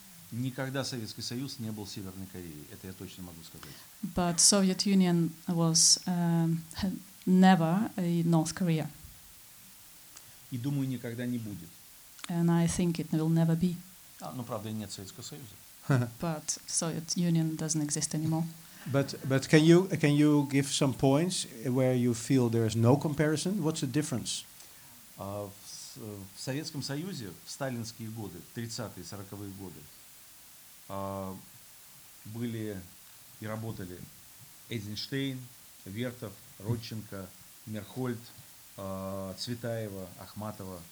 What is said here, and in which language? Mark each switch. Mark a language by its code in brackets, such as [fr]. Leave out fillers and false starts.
[ru] Никогда Советский Союз не был Северной Кореей. Это я точно могу сказать. [en] But Soviet Union was never a North Korea. [ru] И думаю, никогда не будет. [en] And I think it will never be. [ru] Ну, правда, и нет Советского Союза. [en] But Soviet Union doesn't exist anymore. But can you give some points where you feel there is no comparison? What's the difference? [ru] В Советском Союзе в сталинские годы, 30-е, 40-е годы, были и работали Эйзенштейн, Вертов, Родченко, Мерхольд, Цветаева, Ахматова.